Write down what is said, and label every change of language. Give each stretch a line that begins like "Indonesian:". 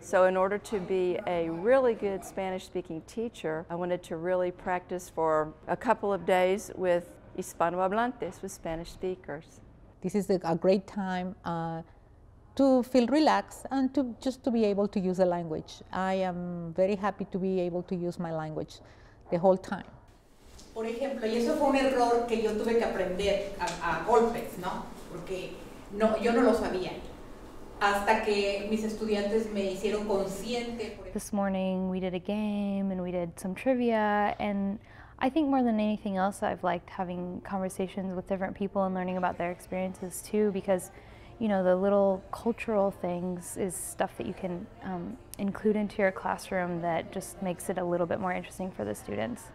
English: So in order to be a really good Spanish speaking teacher, I wanted to really practice for a couple of days with hispanohablantes, with Spanish speakers. This is a great time to feel relaxed and to just to be able to use the language. I am very happy to be able to use my language the whole time.
Spanish: Por ejemplo, y eso fue un error que yo tuve que aprender a golpes, ¿no? Porque no, yo no lo sabía hasta que mis estudiantes me hicieron consciente.
English: This morning we did a game and we did some trivia, and I think more than anything else, I've liked having conversations with different people and learning about their experiences too, because, you know, the little cultural things is stuff that you can include into your classroom that just makes it a little bit more interesting for the students.